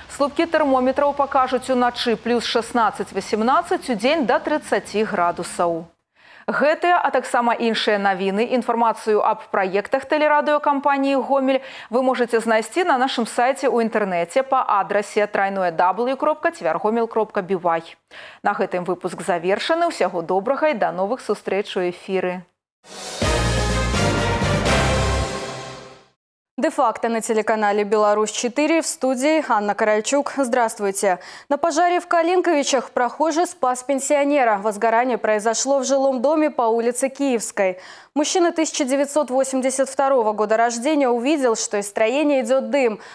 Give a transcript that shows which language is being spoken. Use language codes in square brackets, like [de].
[be] Слупки термометров покажут у ночи плюс 16-18, у день до 30 градусов. Гэтыя, а таксама іншыя навіны, інфармацыю аб праектах тэлерадыёкампаніі «Гомель» вы можаце знайсці на нашым сайце ў інтэрнэце па адрасе www.tvergomel.by. На гэтым выпуск завершаны. Усяго добрага і да новых сустрэч у эфіры. [ru] Де-факто на телеканале «Беларусь-4» в студии Анна Каральчук. Здравствуйте. На пожаре в Калинковичах прохожий спас пенсионера. Возгорание произошло в жилом доме по улице Киевской. Мужчина 1982 года рождения увидел, что из строения идет дым.